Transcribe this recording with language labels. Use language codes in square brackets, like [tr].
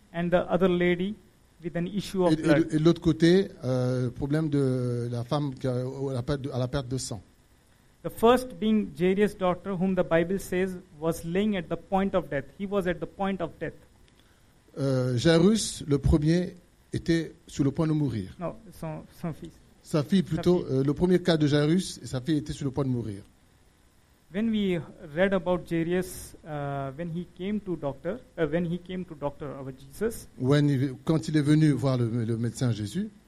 [en] And the other lady with an issue of blood. [fr] Et l'autre côté, problème de la femme qui a la perte de sang. [en] The first being Jairus' daughter, whom the Bible says was laying at the point of death. He was at the point of death. [fr] Jairus, le premier, était sur le point de mourir. Non, son fils. Sa fille plutôt. Sa fille. Le premier cas de Jairus, et sa fille était sur le point de mourir. [en] When we read about Jairus, when he came to doctor, when he came to doctor our Jesus. [fr] Quand il est venu voir le médecin Jésus.